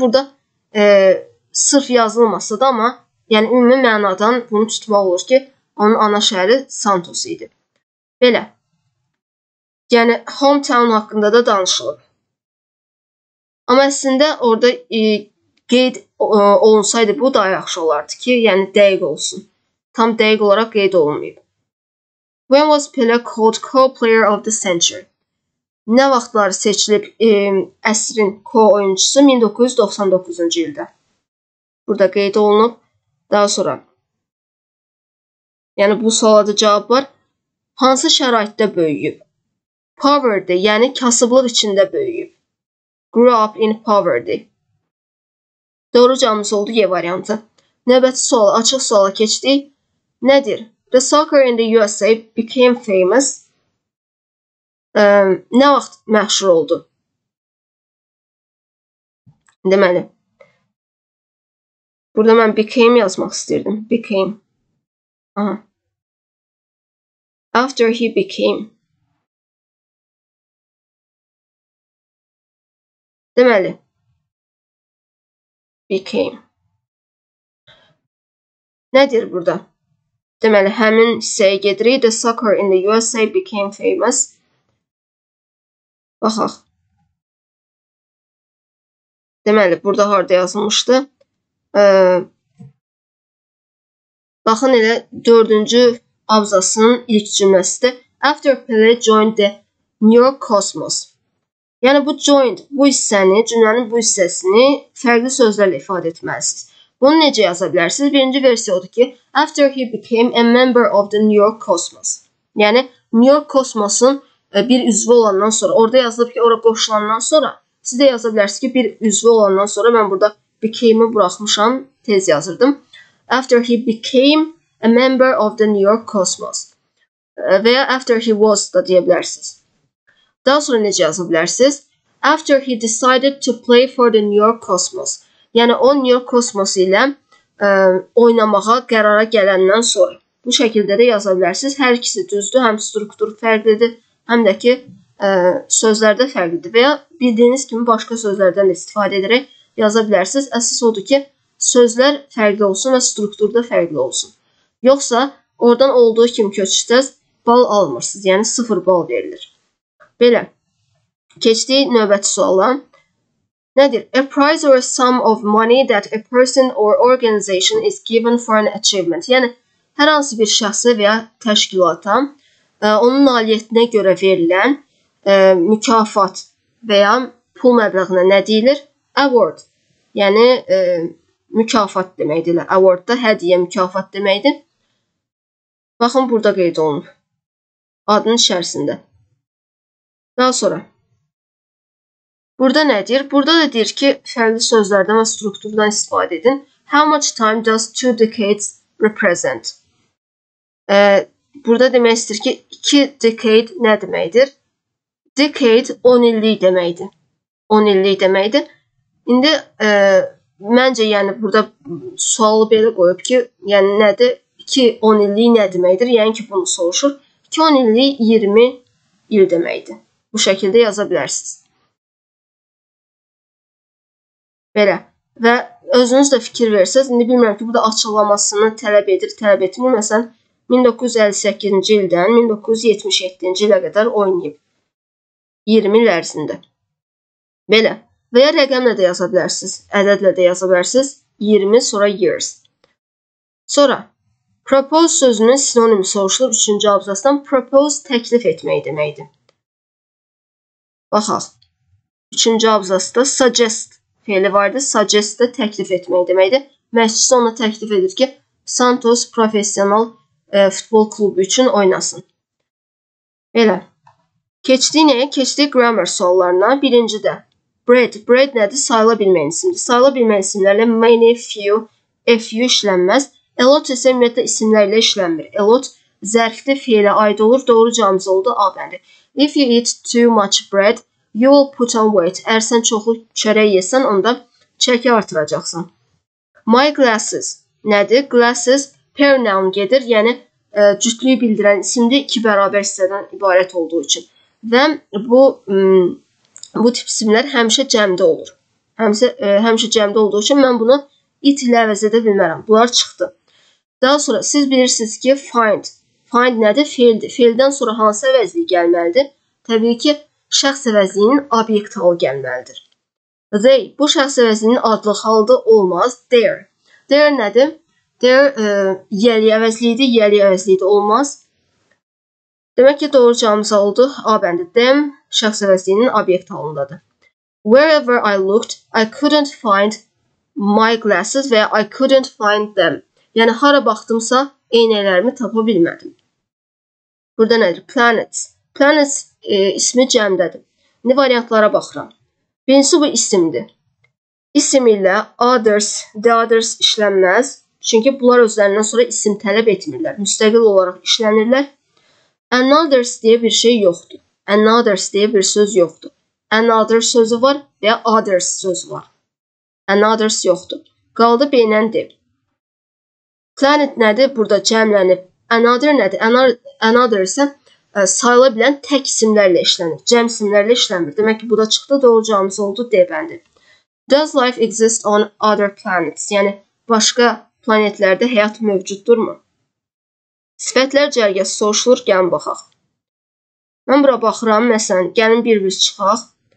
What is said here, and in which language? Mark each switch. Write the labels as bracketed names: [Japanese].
[Azerbaijani] Burada sırf yazılmasa da, amma yəni ümumi mənadan bunu tutmaq olur ki, onun ana şəhəri Santos idi. Belə, yəni hometown haqqında da danışılıb. Amma əslində orada qeyd olunsaydı bu da yaxşı olardı ki, yəni dəqiq olsun. Tam dəqiq olaraq qeyd olunmayıb. [English] When was Pelé called co-player of the century? [Azerbaijani] Nə vaxtlar seçilib əsrin co-oyuncusu 1999-cu ildə? Burada qeyd olunub. Daha sonra, yəni bu sualda cavab var. Hansı şəraitdə böyüyüb? Poverty, yəni kasıblıq içində böyüyüb. [English] Grew up in poverty. [Azerbaijani] Doğru cavabımız oldu Y variantı. Növbəti sual, açıq suala keçdik. Nədir? [English] The soccer in the USA became famous. [Azerbaijani] Nə vaxt məşhur oldu? Deməli, burada mən became yazmaq istəyirdim. [English] Became. Aha. After he became. [Azerbaijani] Deməli, became. Nədir burada? Deməli, həmin hissəyə gedirik. [English] The soccer in the USA became famous. [Azerbaijani] Baxaq. Deməli, burada harada yazılmışdı? Baxın, elə 4-cü abzasının ilk cümləsidir. [English] After Pelé joined the New York Cosmos. [Azerbaijani] Yəni, bu joined, bu hissəni, cümlənin bu hissəsini fərqli sözlərlə ifadə etməlisiniz. Bunu necə yaza bilərsiniz? Birinci versiyodur ki, [English] after he became a member of the New York Cosmos. [Azerbaijani] Yəni, New York Cosmos'un bir üzvü olandan sonra, orada yazılıb ki, ora qoşulandan sonra, siz də yaza bilərsiniz ki, bir üzvü olandan sonra, mən burada became-i buraxmışam, tez yazırdım. [English] After he became a member of the New York Cosmos. [Azerbaijani] Və ya [English] after he was [Azerbaijani] da deyə bilərsiniz. Daha sonra necə yaza bilərsiniz? [English] After he decided to play for the New York Cosmos. [Azerbaijani] Yəni, o New York Cosmos ilə oynamağa qərara gələndən sonra. Bu şəkildə də yaza bilərsiniz. Hər ikisi düzdür, həm struktur fərqlidir, həm də ki sözlərdə fərqlidir. Və ya bildiyiniz kimi başqa sözlərdən istifadə edərək yaza bilərsiniz. Əsas odur ki, sözlər fərqli olsun və struktur da fərqli olsun. Yoxsa oradan olduğu kimi köçürsəz, bal almırsınız. Yəni, sıfır bal verilir. Belə, keçdiyi növbəti suala. Nədir? [English] A prize or a sum of money that a person or organization is given for an achievement. [Azerbaijani] Yəni, hər hansı bir şəxsi və ya təşkilata onun nailiyyətinə görə verilən mükafat və ya pul məbləğinə nə deyilir? Award, yəni mükafat deməkdir. Award da hədiyə mükafat deməkdir. Baxın, burada qeyd olunub. Adın içərisində. Daha sonra. Burada nə deyir? Burada da deyir ki, fərqli sözlərdən və strukturdan istifadə edin. [English] How much time does two decades represent? [Azerbaijani] Burada demək istəyir ki, iki decade nə deməkdir? Decade 10 illik deməkdir. 10 illik deməkdir. İndi məncə yəni burada sualı belə qoyub ki, yəni nədir? 2 10 illik nə deməkdir? Yəni ki, bunu soruşur. 2 10 illik 20 il deməkdir. Bu şəkildə yaza bilərsiniz. Belə. Və özünüz də fikir versəz, indi bilmirəm ki, bu da açıqlamasını tələb edir, tələb etmir. Məsələn, 1958-ci ildən 1977-ci ilə qədər oynayıb. 20 il ərzində. Belə. Və ya rəqəmlə də yaza bilərsiniz, ədədlə də yaza bilərsiniz. 20, sonra years. Sonra, propose sözünün sinonimi soruşulur. Üçüncü abzasdan propose təklif etmək deməkdir. Baxaq. Üçüncü abzasda suggest feili vardır. Suggest də təklif etmək deməkdir. Məşqçisi ona təklif edir ki, Santos profesional futbol klubu üçün oynasın. Belə. Keçdiyi nəyə? Keçdiyi grammar suallarına. Birinci də. Bread. Bread nədir? Sayıla bilməyən isimdir. Sayıla bilməyən isimlərlə many, few, a few işlənməz. A lot isə ümumiyyətlə isimlərlə işlənmir. A lot zərfdə feilə aid olur. Doğru cavabımız oldu A bəndi. [English] If you eat too much bread, you will put on weight. [Azerbaijani] Əgər sən çoxlu çörək yesən, onda çəki artıracaqsan. My glasses nədir? Glasses pair noun gedir. Yəni, cütlüyü bildirən isimdir. İki bərabər hissədən ibarət olduğu üçün. Və bu... Bu tip isimlər həmişə cəmdə olur. Həmişə cəmdə olduğu üçün mən bunu it ilə əvəz edə bilmərəm. Bunlar çıxdı. Daha sonra siz bilirsiniz ki, find. Find nədir? Fail-dir. Fail-dən sonra hansı əvəzliyi gəlməlidir? Təbii ki, şəxs əvəzliyinin obyekt halı gəlməlidir. They. Bu şəxs əvəzliyinin adlı halı olmaz. There. There nədir? There yəli əvəzliyidir, yəli əvəzliyidir olmaz. Demək ki, doğru cavabımız oldu. A bəndi. Them şəxs əvəzliyinin obyekt halındadır. [English] Wherever I looked, I couldn't find my glasses və I couldn't find them. [Azerbaijani] Yəni, hara baxdımsa, eynələrimi tapa bilmədim. Burada nədir? Planets. Planets ismi cəmdədir. Nə variantlara baxıram? Birincisi bu isimdir. İsim ilə others, the others işlənməz. Çünki bunlar özlərindən sonra isim tələb etmirlər. Müstəqil olaraq işlənirlər. Another's deyə bir şey yoxdur. Another's deyə bir söz yoxdur. Another sözü var və ya others sözü var. Another's yoxdur. Qaldı beynəndir. Planet nədir? Burada cəmlənib. Another nədir? Another isə sayıla bilən tək isimlərlə işlənir. Cəm isimlərlə işlənmir. Demək ki, bu da çıxdı, doğru cavabımız oldu, deyəbəndir. [English] Does life exist on other planets? [Azerbaijani] Yəni, başqa planetlərdə həyat mövcuddurmu? Sifətlər cərgəsi soruşulur, gəlin baxaq. Mən bura baxıram, məsələn, gəlin bir-biz çıxaq.